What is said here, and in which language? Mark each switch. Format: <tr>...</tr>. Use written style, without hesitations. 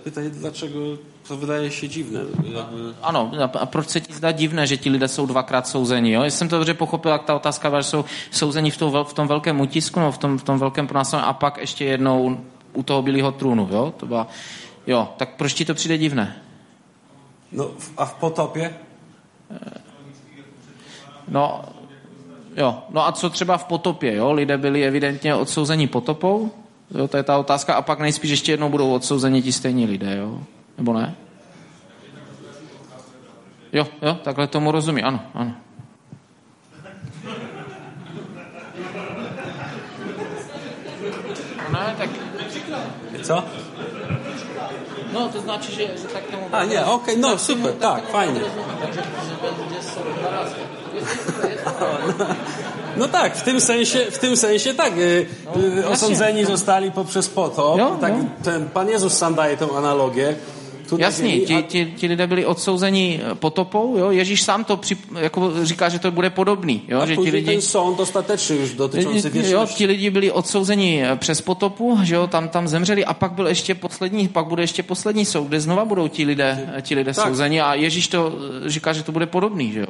<pl>Dlaczego to wydaje się dziwne?</pl> <cs>Ano, a proč se ti zdá divné, že ti lidé jsou dvakrát souzeni? Jo? Já jsem to dobře pochopil, jak ta otázka byla, že jsou souzeni v tom velkém utisku, no, v tom velkém pronásledování a pak ještě jednou u toho bílého trůnu. Jo? To byla, jo, tak proč ti to přijde divné? No a v potopě? No, jo. No a co třeba v potopě? Jo? Lidé byli evidentně odsouzeni potopou. Jo, to je ta otázka. A pak nejspíš ještě jednou budou odsouzeni ti stejní lidé, jo? Nebo ne? Jo, takhle tomu rozumí. Ano. No ne, tak... Co? No, to znači, že tak tomu... A, ne, ok, no, tak, super, tak, tak fajně.</cs> <pl>No tak, w tym sensie tak. Osądzeni zostali poprzez potop. Tak, ten Pan Jezus sam daje tę analogię. to</pl> <cs>jasně, ti lidé byli odsouzeni potopou, jo? Ježíš sám to jako říká, že to bude podobný. Jo? A že ti lidi, ten soud dostatečný už dotyčil si věřit. Jo, ti lidi byli odsouzeni přes potopu, že jo? Tam zemřeli a pak byl ještě poslední, pak bude ještě poslední soud, kde znova budou ti lidé souzeni a Ježíš to říká, že to bude podobný, že jo?</cs>